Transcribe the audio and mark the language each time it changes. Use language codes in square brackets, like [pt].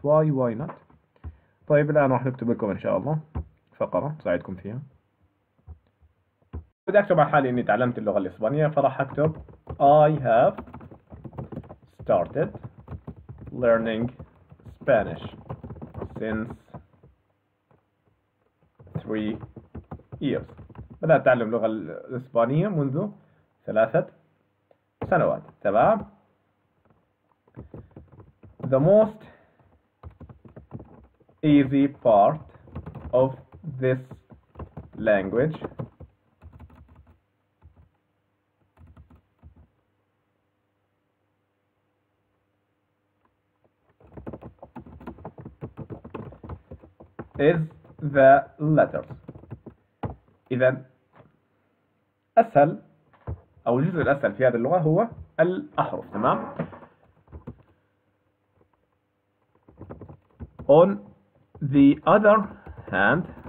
[en] Why not؟ [ar] طيب الآن راح نكتب لكم إن شاء الله فقرة تساعدكم فيها. بدي أكتب على حالي إني تعلمت اللغة الإسبانية، فراح أكتب [en] I have started learning Spanish since 3 years. [ar] بدأت أتعلم اللغة الإسبانية منذ 3 سنوات، تمام؟ [en] The most easy part of this language is the letters. [ar] إذا أسهل أو الجزء الأسهل في هذه اللغة هو الأحرف، تمام؟ [en] On the other hand,